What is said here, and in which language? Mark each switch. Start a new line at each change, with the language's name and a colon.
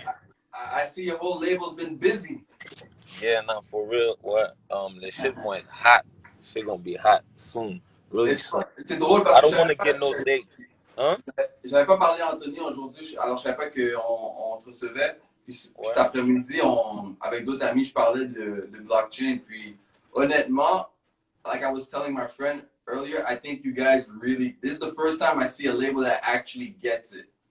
English: Yeah, I see your whole label's been busy. Yeah, nah, for real. What? The shit went hot. Shit gonna be hot soon. Really
French: soon. C'est drôle parce
English: I don't want to get no dates.
French: Hein? J'avais pas parlé à Anthony aujourd'hui, alors je savais pas qu'on te recevait. Puis cet après-midi, avec d'autres amis, je parlais de blockchain. Puis honnêtement,
English: like I was telling my friend earlier, I think you guys really. This is the first time I see a label that actually gets it.